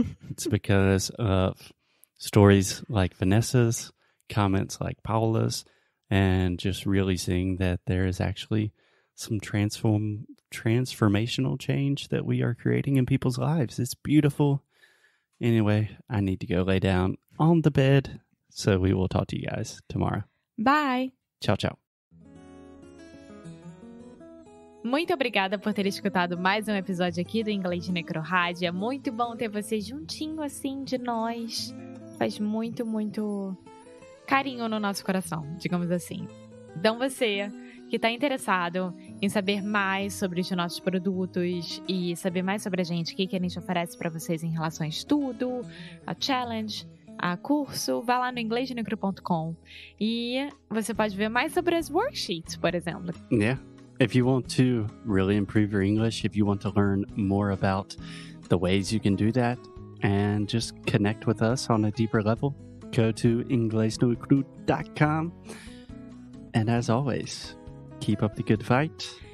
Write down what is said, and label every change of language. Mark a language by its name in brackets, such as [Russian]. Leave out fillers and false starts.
[English] It's because of stories like Vanessa's, comments like Paula's, and just really seeing that there is actually some transformational change that we are creating in people's lives. It's beautiful. Anyway, I need to go lay down on the bed, so we will talk to you guys tomorrow. Bye! [Portuguese] Ciao, ciao! Muito obrigada por ter escutado mais um episódio aqui do Inglês Necro Rádio. É muito bom ter você juntinho assim de nós. Faz muito, muito carinho no nosso coração, digamos assim. Então você que está interessado em saber mais sobre os nossos produtos e saber mais sobre a gente, o que a gente oferece para vocês em relação a estudo, a challenge, a curso, vá lá no inglesnecro.com e você pode ver mais sobre as worksheets, por exemplo. [English] Yeah, if you want to really improve your English, if you want to learn more about the ways you can do that and just connect with us on a deeper level, go to inglesnecro.com. And as always, keep up the good fight.